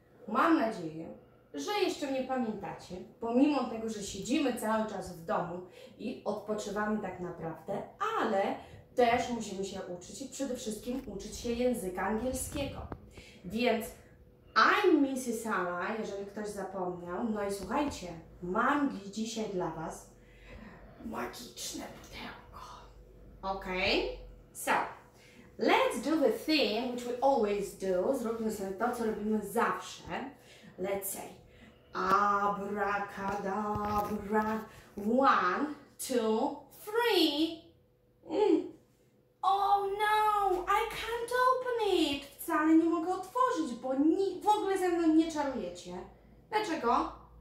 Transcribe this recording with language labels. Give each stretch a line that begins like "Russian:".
Polish: Mam nadzieję, że jeszcze mnie pamiętacie, pomimo tego, że siedzimy cały czas w domu i odpoczywamy tak naprawdę, ale też musimy się uczyć i przede wszystkim uczyć się języka angielskiego. Więc
English: I'm Mrs. Alla,
Polish: jeżeli ktoś zapomniał. No i słuchajcie, mam dzisiaj dla Was magiczne pudełko.
English: Ok? So, let's do the thing which we always do.
Polish: Zróbmy sobie to, co robimy zawsze.
English: Let's say abracadabra. One, two, three. Oh no, I can't open it.
Polish: Wcale nie mogę otworzyć, bo w ogóle ze mną nie czarujecie. Dlaczego?